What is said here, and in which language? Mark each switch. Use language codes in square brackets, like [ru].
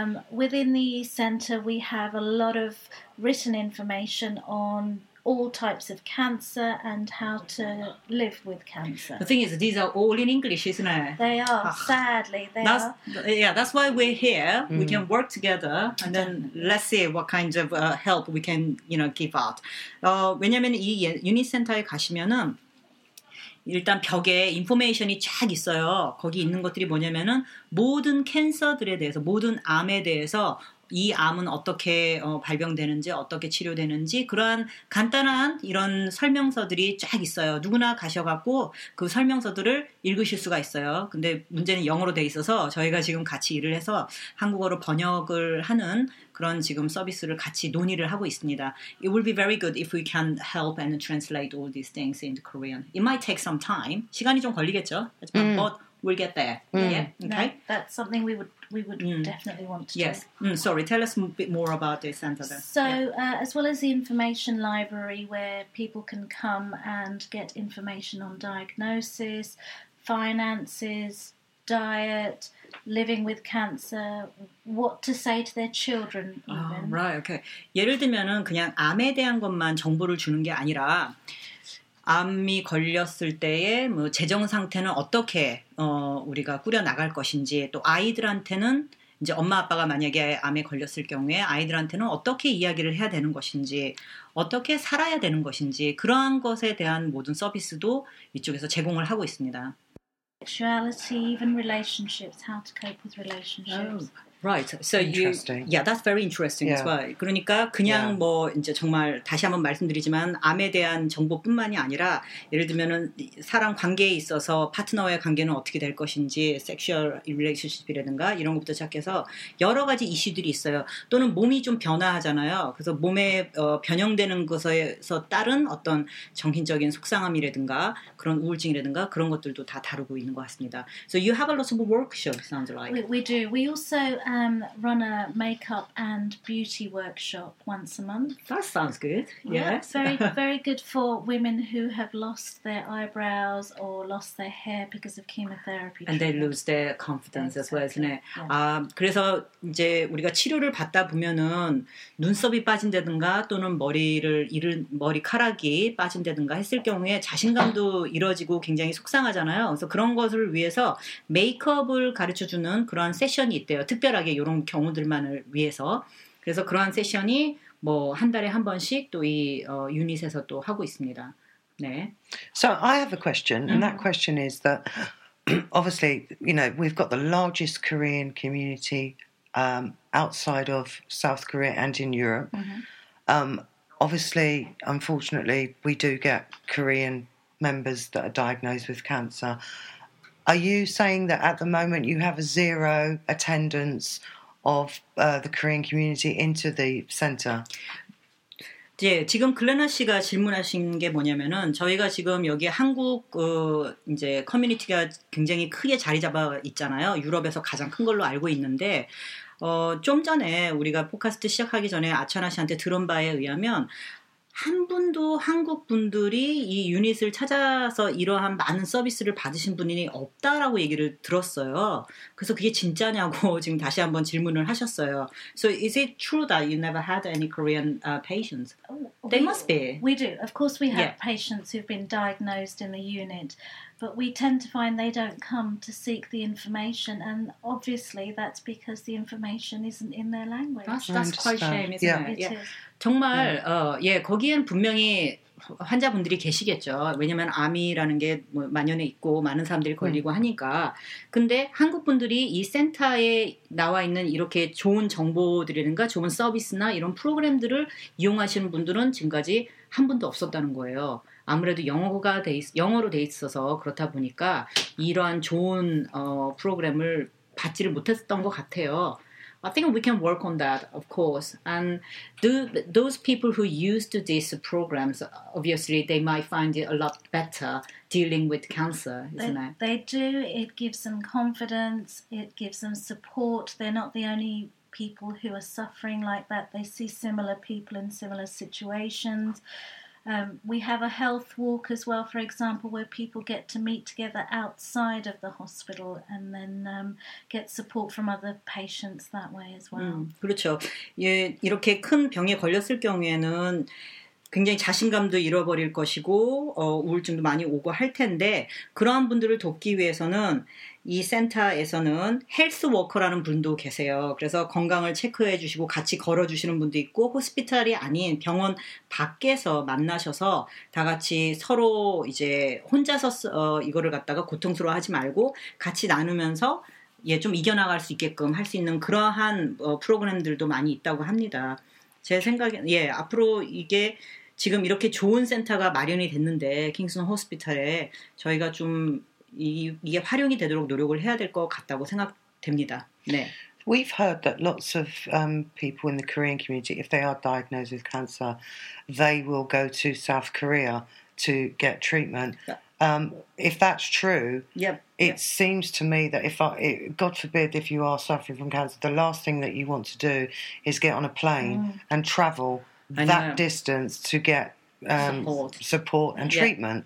[en] Within the center, we have a lot of written information on all types of cancer and how to live with cancer. The thing is, these are all in English, isn't it? They are, sadly. Yeah, that's why we're here. Mm. We can work together and then let's see what kind of help we can, you know, give out. [ko] 왜냐면 이 유닛 센터에 가시면은 일단 벽에 인포메이션이 쫙 있어요. 거기 있는 것들이 뭐냐면은 모든 캔서들에 대해서, 모든 암에 대해서 이 암은 어떻게 발병되는지, 어떻게 치료되는지 그러한 간단한 이런 설명서들이 쫙 있어요. 누구나 가셔갖고 그 설명서들을 읽으실 수가 있어요. 근데 문제는 영어로 돼 있어서 저희가 지금 같이 일을 해서 한국어로 번역을 하는 그런 지금 서비스를 같이 논의를 하고 있습니다. [en] It would be very good if we can help and translate all these things into Korean. It might take some time. [ko] 시간이 좀 걸리겠죠? [en] But we'll get there. Yeah? Okay? That's something we would definitely want to yes. do. Yes. Sorry, tell us a bit more about this center then. So, as well as the information library where people can come and get information on diagnosis, finances, diet, living with cancer, what to say to their children even. Oh, right, okay. [ko] 예를 들면은 그냥 암에 대한 것만 정보를 주는 게 아니라 암이 걸렸을 때의 뭐 재정 상태는 어떻게 우리가 꾸려 나갈 것인지 또 아이들한테는 이제 엄마 아빠가 만약에 암에 걸렸을 경우에 아이들한테는 어떻게 이야기를 해야 되는 것인지 어떻게 살아야 되는 것인지 그러한 것에 대한 모든 서비스도 이쪽에서 제공을 하고 있습니다. [en] Sexuality, even relationships, how to cope with relationships. Right. So that's very interesting as well. [ko] 그러니까 그냥 뭐 이제 정말 다시 한번 말씀드리지만 암에 대한 정보뿐만이 아니라 예를 들면은 사람 관계에 있어서 파트너와의 관계는 어떻게 될 것인지, [en] sexual relationship [ko] 이라든가 이런 것부터 시작해서 여러 가지 이슈들이 있어요. 또는 몸이 좀 변화하잖아요. 그래서 몸에 변형되는 것에서 따른 어떤 정신적인 속상함이라든가 그런 우울증이라든가 그런 것들도 다 다루고 있는 것 같습니다. [en] So you have a lot of workshops, sounds like. We do. We also run a makeup and beauty workshop once a month. That sounds good. Yes. Very, very good for women who have lost their eyebrows or lost their hair because of chemotherapy. And they lose their confidence as well, isn't it? Yeah. [ko] 그래서 이제 우리가 치료를 받다 보면은 눈썹이 빠진다든가 또는 머리카락이 빠진다든가 했을 경우에 자신감도 잃어지고 굉장히 속상하잖아요. 그래서 그런 것을 위해서 메이크업을 가르쳐주는 그런 세션이 있대요. 특별하게 이런 경우들만을 위해서 그래서 그러한 세션이 뭐 한 달에 한 번씩 또 이 유닛에서 또 하고 있습니다. 네. [en] So I have a question, and that question is that obviously, you know, we've got the largest Korean community outside of South Korea and in Europe. Obviously, unfortunately, we do get Korean members that are diagnosed with cancer. Are you saying that at the moment you have a zero attendance of the Korean community into the center? [ko] 예, 지금 글레나 씨가 질문하신 게 뭐냐면은 저희가 지금 여기 한국 이제 커뮤니티가 굉장히 크게 자리 잡아 있잖아요. 유럽에서 가장 큰 걸로 알고 있는데 좀 전에 우리가 포카스트 시작하기 전에 아차나 씨한테 들은 바에 의하면 한 분도 한국 분들이 이 유닛을 찾아서 이러한 많은 서비스를 받으신 분이 없다라고 얘기를 들었어요. 그래서 그게 진짜냐고 지금 다시 한번 질문을 하셨어요. [en] So is it true that you never had any Korean patients? They must be. We do. Of course we have patients who've been diagnosed in the unit. But we tend to find they don't come to seek the information, and obviously that's because the information isn't in their language. That's quite a shame, isn't it? [ko] 정말 예 거기엔 분명히 환자분들이 계시겠죠. 왜냐하면 암이라는 게 뭐 만연해 있고 많은 사람들이 걸리고 하니까. 근데 한국 분들이 이 센터에 나와 있는 이렇게 좋은 정보들이든가 좋은 서비스나 이런 프로그램들을 이용하시는 분들은 지금까지 한 분도 없었다는 거예요. 아무래도 영어가 영어로 돼 있어서 그렇다 보니까 이러한 좋은 프로그램을 받지를 못했던 것 같아요. [en] I think we can work on that, of course. And those people who used these programs, obviously, they might find it a lot better dealing with cancer, isn't it? They do. It gives them confidence. It gives them support. They're not the only people who are suffering like that. They see similar people in similar situations. We have a health walk as well, for example, where people get to meet together outside of the hospital and then get support from other patients that way as well. [ko] 그렇죠. 예, 이렇게 큰 병에 걸렸을 경우에는 굉장히 자신감도 잃어버릴 것이고 우울증도 많이 오고 할 텐데 그러한 분들을 돕기 위해서는 이 센터에서는 헬스 워커라는 분도 계세요. 그래서 건강을 체크해 주시고 같이 걸어주시는 분도 있고 호스피탈이 아닌 병원 밖에서 만나셔서 다 같이 서로 이제 혼자서 이거를 갖다가 고통스러워하지 말고 같이 나누면서 예, 좀 이겨나갈 수 있게끔 할 수 있는 그러한 프로그램들도 많이 있다고 합니다. 제 생각에 예 앞으로 이게 지금 이렇게 좋은 센터가 마련이 됐는데 킹스턴 호스피탈에 저희가 좀 이게 활용이 되도록 노력을 해야 될 것 같다고 생각됩니다. 네. [en] We've heard that lots of people in the Korean community, if they are diagnosed with cancer, they will go to South Korea to get treatment. If that's true, yep. It yep. seems to me that God forbid, if you are suffering from cancer, the last thing that you want to do is get on a plane and travel that distance to get support and treatment.